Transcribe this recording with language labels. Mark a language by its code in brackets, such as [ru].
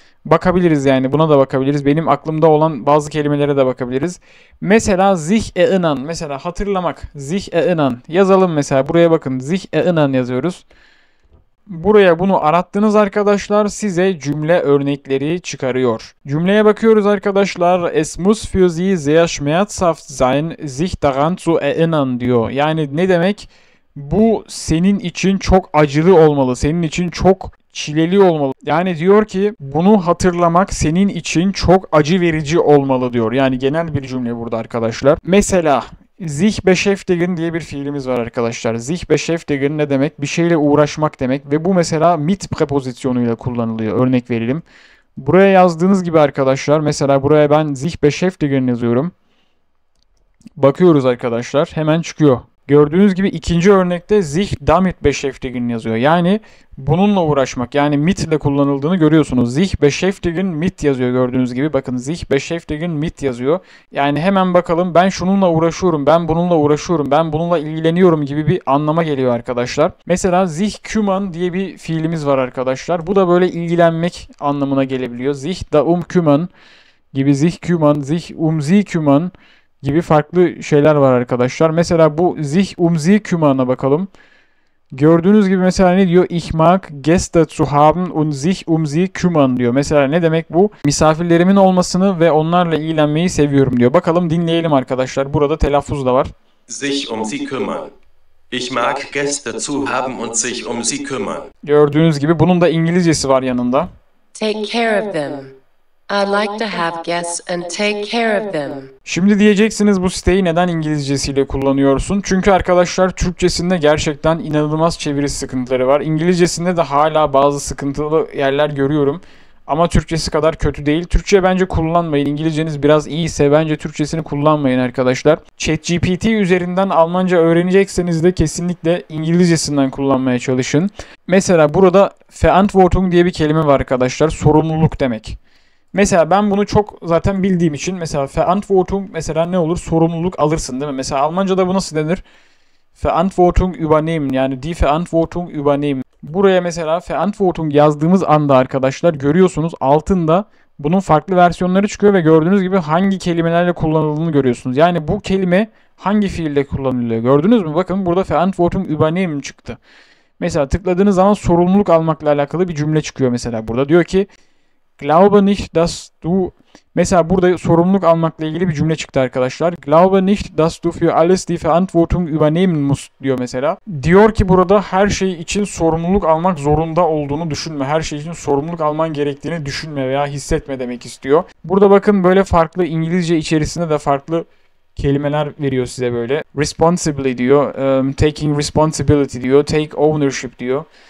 [tr] Bakabiliriz yani, buna da bakabiliriz. Benim aklımda olan bazı kelimelere de bakabiliriz. Mesela zih e'inan, mesela hatırlamak. Zih e'inan yazalım mesela, buraya bakın. Zih e'inan yazıyoruz. Buraya bunu arattınız arkadaşlar, size cümle örnekleri çıkarıyor. Cümleye bakıyoruz arkadaşlar. [de] Es muss für sie sehr schmerzhaft sein, sich daran zu erinnern [tr] diyor. Yani ne demek? Bu senin için çok acılı olmalı. Senin için çok çileli olmalı. Yani diyor ki bunu hatırlamak senin için çok acı verici olmalı diyor. Yani genel bir cümle burada arkadaşlar. Mesela sich beschäftigen diye bir fiilimiz var arkadaşlar. Sich beschäftigen ne demek? Bir şeyle uğraşmak demek ve bu mesela mit prepozisyonuyla kullanılıyor. Örnek verelim. Buraya yazdığınız gibi arkadaşlar, mesela buraya ben sich beschäftigen yazıyorum. Bakıyoruz arkadaşlar. Hemen çıkıyor. Gördüğünüz gibi ikinci örnekte sich damit beschäftigen yazıyor. Yani bununla uğraşmak, yani mit ile kullanıldığını görüyorsunuz. Sich beschäftigen mit yazıyor gördüğünüz gibi. Bakın sich beschäftigen mit yazıyor. Yani hemen bakalım, ben şununla uğraşıyorum, ben bununla uğraşıyorum, ben bununla ilgileniyorum gibi bir anlama geliyor arkadaşlar. Mesela sich kümmern diye bir fiilimiz var arkadaşlar. Bu da böyle ilgilenmek anlamına gelebiliyor. Sich kümmern gibi, sich kümmern, sich sie kümmern gibi farklı şeyler var arkadaşlar. Mesela bu sich sie kümmern'a bakalım. Gördüğünüz gibi mesela ne diyor? [de] Ich mag Gäste zu haben und sich sie kümmern [tr] diyor. Mesela ne demek bu? Misafirlerimin olmasını ve onlarla ilgilenmeyi seviyorum diyor. Bakalım dinleyelim arkadaşlar. Burada telaffuz da var. [de] Sich sie kümmern. Ich mag Gäste zu haben und sich sie kümmern. [tr] Gördüğünüz gibi bunun da İngilizcesi var yanında. [en] Take care of them. I'd like to have guests and take care of them. [tr] Şimdi diyeceksiniz bu siteyi neden İngilizcesiyle kullanıyorsun? Çünkü arkadaşlar Türkçesinde gerçekten inanılmaz çeviri sıkıntıları var. İngilizcesinde de hala bazı sıkıntılı yerler görüyorum. Ama Türkçesi kadar kötü değil. Türkçe bence kullanmayın. İngilizceniz biraz iyiyse bence Türkçesini kullanmayın arkadaşlar. ChatGPT üzerinden Almanca öğrenecekseniz de kesinlikle İngilizcesinden kullanmaya çalışın. Mesela burada Verantwortung diye bir kelime var arkadaşlar. Sorumluluk demek. Mesela ben bunu çok zaten bildiğim için, mesela Verantwortung mesela ne olur? Sorumluluk alırsın değil mi? Mesela Almanca'da bu nasıl denir? [de] Verantwortung übernehmen, [tr] yani [de] die Verantwortung übernehmen. [tr] Buraya mesela Verantwortung yazdığımız anda arkadaşlar görüyorsunuz altında bunun farklı versiyonları çıkıyor ve gördüğünüz gibi hangi kelimelerle kullanıldığını görüyorsunuz. Yani bu kelime hangi fiille kullanılıyor? Gördünüz mü? Bakın burada Verantwortung übernehmen çıktı. Mesela tıkladığınız zaman sorumluluk almakla alakalı bir cümle çıkıyor mesela burada. Diyor ki [de] Glaube nicht, dass du, [tr] mesela burada sorumluluk almakla ilgili bir cümle çıktı arkadaşlar. [de] Glaube nicht, dass du für alles die Verantwortung übernehmen musst [tr] diyor mesela. Diyor ki burada her şey için sorumluluk almak zorunda olduğunu düşünme. Her şey için sorumluluk alman gerektiğini düşünme veya hissetme demek istiyor. Burada bakın böyle farklı İngilizce içerisinde de farklı kelimeler veriyor size böyle. [en] Responsibly diyor. Taking responsibility diyor. Take ownership diyor.